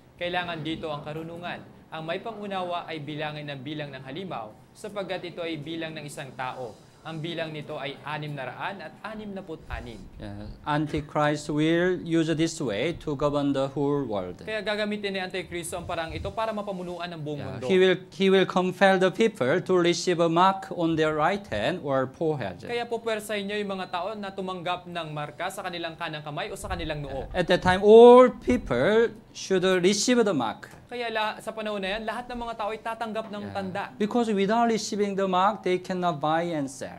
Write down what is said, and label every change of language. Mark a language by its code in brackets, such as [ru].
[tl] Kailangan dito ang karunungan. Ang may pangunawa ay bilangin ng bilang ng halimaw, sapagkat ito ay bilang ng isang tao. Ang bilang nito ay 666. [en] Yeah. Antichrist will use this way to govern the whole world. [tl] Kaya gagamitin ni Antichristo ang parang ito para mapamunuan ang buong mundo. [en] He will compel the people to receive a mark on their right hand or forehead. [tl] Kaya pupwersahin niya yung mga tao na tumanggap ng marka sa kanilang kanang kamay o sa kanilang noo. [en] At that time, all people should receive the mark. [tl] Kaya sa panahon na yan, lahat ng mga tao ay tatanggap ng tanda. [en] Because without receiving the mark, they cannot buy and sell.